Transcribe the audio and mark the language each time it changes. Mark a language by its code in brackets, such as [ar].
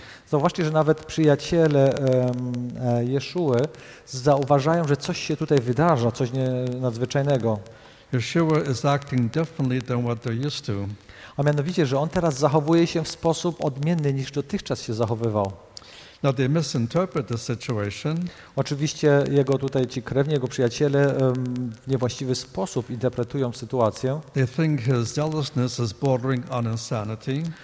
[pl] Zauważcie, że nawet przyjaciele Jeszuły zauważają, że coś się tutaj wydarza, coś nadzwyczajnego. [en] Yeshua is acting differently than what they're used to. [pl] A mianowicie, że on teraz zachowuje się w sposób odmienny niż dotychczas się zachowywał. [en] Now they misinterpret the situation. [pl] Oczywiście jego tutaj ci krewni, jego przyjaciele w niewłaściwy sposób interpretują sytuację. [en] They think his zealousness is bordering on insanity.